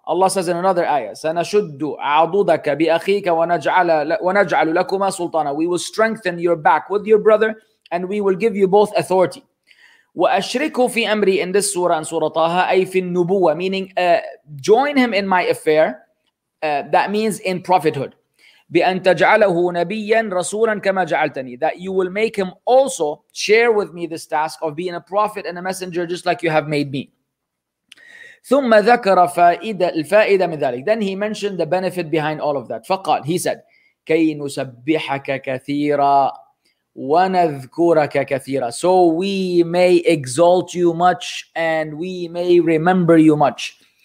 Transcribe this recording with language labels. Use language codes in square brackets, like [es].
[en] Allah says in another ayah, [ar] sanashuddu a'adudaka bi akhika wa naj'alu lakuma sultana. [en] We will strengthen your back with your brother and we will give you both authority. [ar] Wa ashriku fi amri [en] in this surah and surah Taha, [ar] ay fi nubuwa. [en] Meaning, join him in my affair. That means in prophethood. [ar] بأن تجعله نبيا رسولا كما جعلتني. [en] That you will make him also share with me this task of being a prophet and a messenger just like you have made me. [ar] ثم ذكر فائدة الفائدة من ذلك. [en] Then he mentioned the benefit behind all of that. [ar] فقال, [en] he said, [ar] كي نسبحك كثيرا ونذكرك كثيرا. [en] So we may exalt you much and we may remember you much.